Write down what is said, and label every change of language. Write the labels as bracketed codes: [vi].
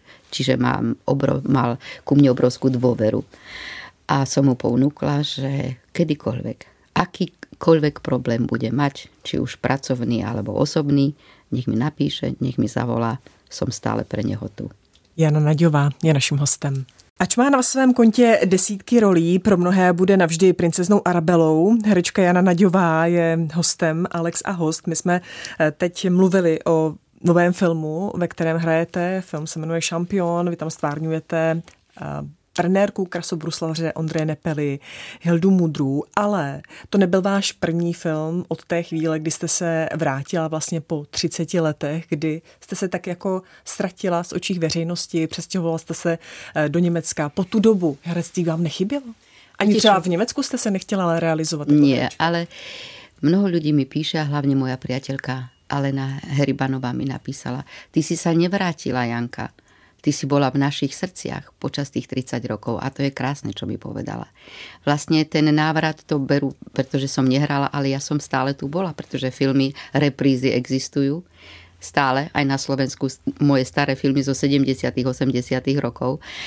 [sk] Čiže mal ku mne obrovskú dôveru. A som mu ponúkla, že kedykoľvek, akýkoľvek problém bude mať, či už pracovný alebo osobný, nech mi napíše, nech mi zavolá, som stále pre neho tu. [cs] Jana Naďová je naším hostem. Ač má na svém kontě desítky rolí, pro mnohé bude navždy princeznou Arabelou. Herečka Jana Naďová je hostem Alex a host. My jsme teď mluvili o novém filmu, ve kterém hrajete. Film se jmenuje Šampion, vy tam stvárňujete trenérku krasobruslaře Ondřeje Nepeli, Hildu Mudrů, ale to nebyl váš první film od té chvíle, kdy jste se vrátila vlastně po 30 letech, kdy jste se tak jako ztratila z očích veřejnosti, přestěhovala jste se do Německa. Po tu dobu herectví vám nechybělo? Ani třeba v Německu jste se nechtěla realizovat? Ne, ale mnoho lidí mi píše, hlavně moja přijatelka Alena Heribanová mi napísala, ty jsi se nevrátila, Janka. [sk] Ty si bola v našich srdciach počas tých 30 rokov a to je krásne, čo mi povedala. Vlastne ten návrat to beru, pretože som nehrala, ale ja som stále tu bola, pretože filmy, reprízy existujú stále, aj na Slovensku moje staré filmy zo 70-tych, 80-tych rokov.